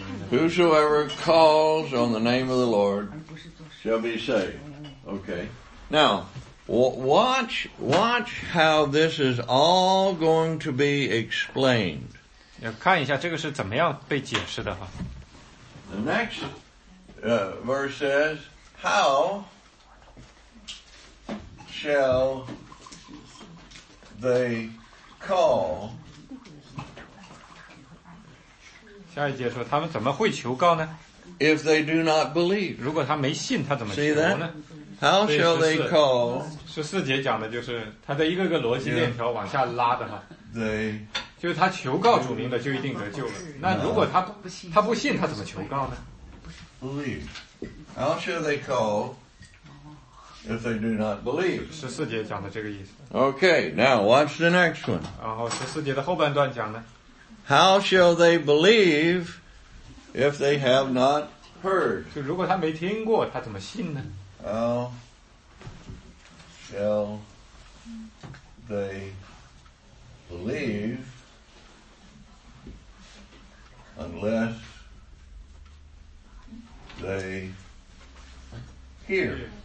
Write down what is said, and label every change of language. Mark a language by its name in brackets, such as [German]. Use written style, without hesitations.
[English] Whosoever calls on the name of the Lord shall be saved. Okay. Now, watch how this is all going to be explained. [Chinese] 要看一下这个是怎么样被解释的哈。 [English] The next verse says, how shall they call? [Chinese] 下一节说他们怎么会求告呢 [English] ？If they do not believe， [Chinese] 如果他没信，他怎么求呢 [English] ？How shall they call？ [Chinese] 十四节讲的就是他的一个个逻辑链条往下拉的哈。 [English] They [Chinese] 就是他求告主名的就一定得救了。那如果他不信，他怎么求告呢 [English] ？Believe. How shall they call if they do not believe？ [Chinese] 十四节讲的这个意思。 [English] Okay, now watch the next one. [Chinese] 然后十四节的后半段讲呢。 [English] How shall they believe if they have not heard? [Chinese] 就如果他没听过，他怎么信呢 [English] ？How shall they believe unless they hear?